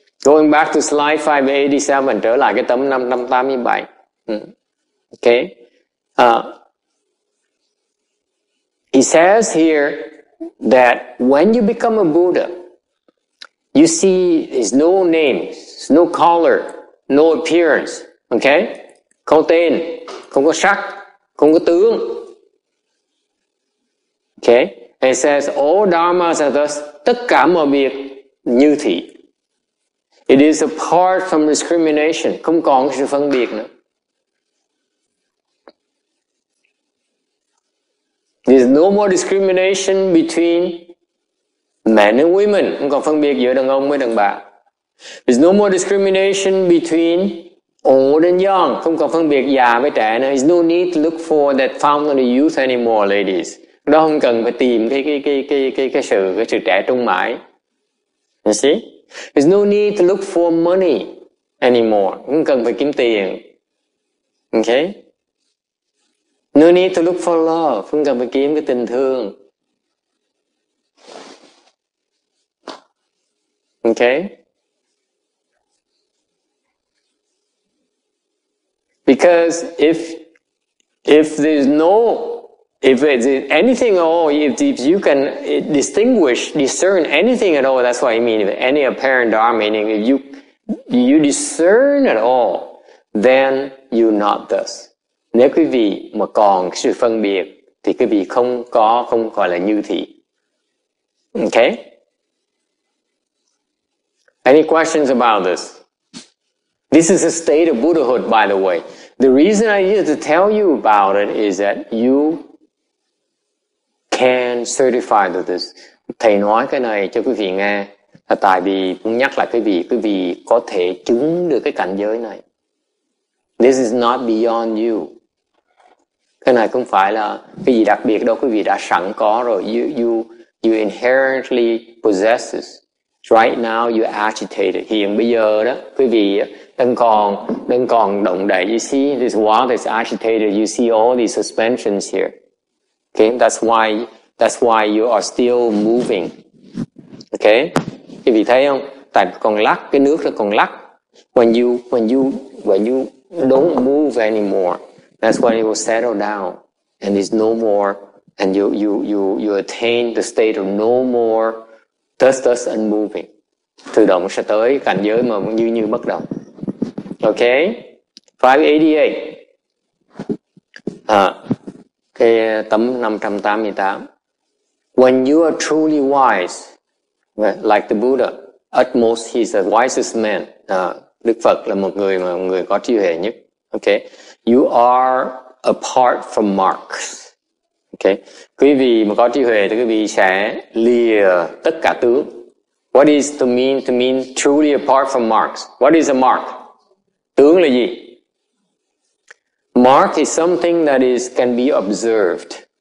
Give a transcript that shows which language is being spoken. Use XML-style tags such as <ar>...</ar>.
<en>Going back to slide 587,</en> <vi>trở lại cái tấm 587.</vi> <en>Okay. He says here that when you become a Buddha, you see there's no name, no color, no appearance. Okay?</en> <vi>Không tên, không có sắc, không có tướng.</vi> <en>Okay? And it says all dharmas are thus,</en> <vi>tất cả mọi việc như thị.</vi> <en>It is apart from discrimination.</en> <vi>Không còn sự phân biệt nữa.</vi> <en>There's no more discrimination between men and women.</en> <vi>Không còn phân biệt giữa đàn ông với đàn bà.</vi> <en>There's no more discrimination between old and young. Không còn phân biệt già với trẻ nữa. There's no need to look for that fountain of youth anymore, ladies.</en> <vi>Đó không cần phải tìm cái sự trẻ trung mãi.</vi> <en>You see? There's no need to look for money anymore.</en> <vi>Không cần phải kiếm tiền.</vi> <en>Okay? No need to look for love.</en> <vi>Không cần phải kiếm cái tình thương.</vi> <en>Okay? Because if you can discern anything at all, that's what I mean. If any apparent dharma, meaning if you discern at all, then you're not thus.</en> <vi>Nếu quý vị mà còn sự phân biệt thì quý vị không gọi là như thị.</vi> <en>Okay? Any questions about this? This is a state of Buddhahood, by the way. The reason I need to tell you about it is that you can certify that this.</en> <vi>Thầy nói cái này cho quý vị nghe là tại vì muốn nhắc lại quý vị có thể chứng được cái cảnh giới này.</vi> <en>This is not beyond you.</en> <vi>Cái này không phải là cái gì đặc biệt đâu, quý vị đã sẵn có rồi.</vi> <en>You inherently possess this. Right now you agitated.</en> <vi>Hiện bây giờ đó, quý vị đang còn động đậy.</vi> <en>You see this world is agitated. You see all these suspensions here. Okay, that's why you are still moving.</en> <vi>Okay, quý vị thấy không? Tại còn lắc, cái nước nó còn lắc.</vi> <en>When you don't move anymore, that's when it will settle down and it's no more, and you attain the state of no more thus unmoving.</en> <vi>Tự động sẽ tới cảnh giới mà như bất động.</vi> <en>Okay, 588.</en> <vi>Cái tấm 588.</vi> <en>When you are truly wise, like the Buddha, at most he's the wisest man.</en> <vi>Đức Phật là một người có trí huệ nhất. Okay.</vi> <en>You are apart from marks.</en> <vi>Okay. Quý vị mà có trí huệ thì quý vị sẽ lìa tất cả tướng.</vi> <en>What is to mean truly apart from marks? What is a mark?</en> <vi>Tướng là gì?</vi> <en>Mark is something that is can be observed.</en>